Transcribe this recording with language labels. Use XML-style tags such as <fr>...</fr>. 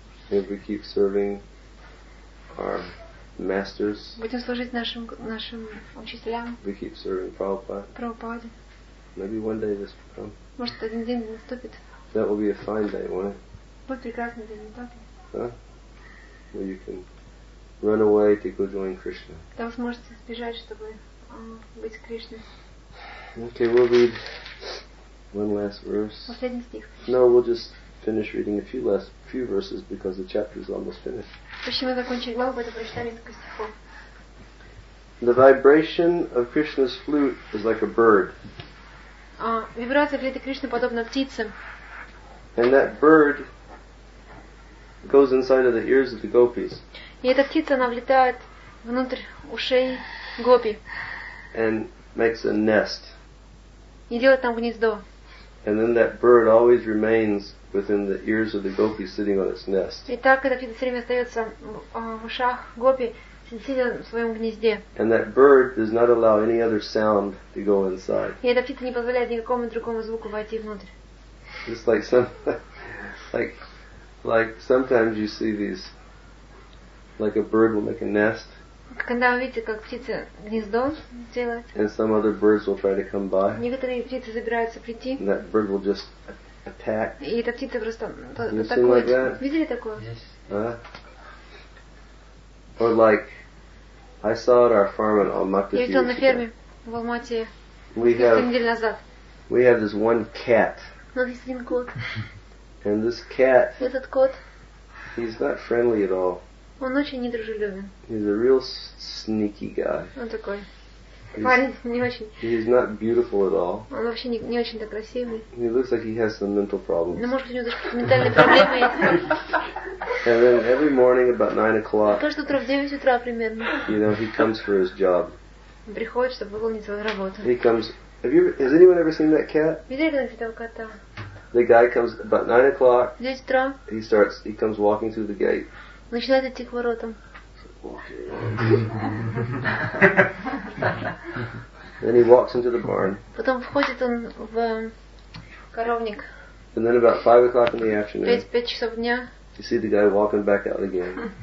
<en>If we keep serving our masters.</en> <ru>Будем служить нашим учителям.</ru> <en>If we keep serving Prabhupada. Prabhupada. Maybe one day this will come.</en> <ru>Может один день наступит.</ru> <en>That will be a fine day, won't it?</en> <ru>Будет прекрасный день, не так ли?</ru> <en>Where you can run away to go join Krishna.</en> <ru>Там сможете сбежать, чтобы быть с Кришной.</ru> <en>Okay, we'll read one last verse.</en> <ru>Последний стих.</ru> <en>No, we'll just finish reading a few verses because the chapter is almost finished.</en> <ru>Почему мы закончили главу, потому что прочитали несколько стихов.</ru> <en>The vibration of Krishna's flute is like a bird.</en> <ru>Вибрация флейты Кришны подобна птице.</ru> <en>And that bird goes inside of the ears of the gopis.</en> <ru>И эта птица, она влетает внутрь ушей гопи.</ru> <en>And makes a nest.</en> <ru>И делает там гнездо.</ru> <en>And then that bird always remains within the ears of the gopi sitting on its nest.</en> <ru>И так эта птица все время остается в ушах гопи, сидя в своем гнезде.</ru> <en>And that bird does not allow any other sound to go inside.</en> <ru>И эта птица не позволяет никакому другому звуку войти внутрь.</ru> <en>Just like like sometimes you see these, like a bird will make a nest.</en> <ru>Когда вы видите, как птица гнездо делает.</ru> <en>And some other birds will try to come by.</en> <ru>Некоторые птицы забираются прийти.</ru> <en>And that bird will just attack.</en> <ru>И эта птица просто атакует. Видели такое?</ru> <en>Yes. Or like, I saw it at our farm in Almaty.</en> <ru>Я видел на ферме в Алмате. Неделю назад.</ru> <en>We have this one cat.</en> <ru>Но есть один кот.</ru> <en>And this cat.</en> <ru>Этот кот.</ru> <en>He's not friendly at all.</en> <ru>Он очень недружелюбен.</ru> <en>He's a real sneaky guy.</en> <ru>Он такой. Парень не очень.</ru> <en>He's not beautiful at all.</en> <ru>Он вообще не очень-то красивый.</ru> <en>He looks like he has some mental problems.</en> <ru>Но может у него даже ментальные проблемы есть.</ru> <en>And then every morning about 9 o'clock.</en> <ru>Каждое утро в 9 утра примерно.</ru> <en>You know, he comes for his job.</en> <ru>Он приходит, чтобы выполнить свою работу.</ru> <en>He comes. Has anyone ever seen that cat?</en> <ru>Видели когда-нибудь этого кота?</ru> <en>The guy comes about 9 o'clock.</en> <ru>В 9 утра.</ru> <en>He starts. He comes walking through the gate.</en> <ru>Начинает идти к воротам.</ru> <en>Then he walks into the barn.</en> <ru>Потом входит он в коровник.</ru> <en>And then about 5 o'clock in the afternoon.</en> <ru>5 часов дня.</ru> <en>You see the guy walking back out again.</en>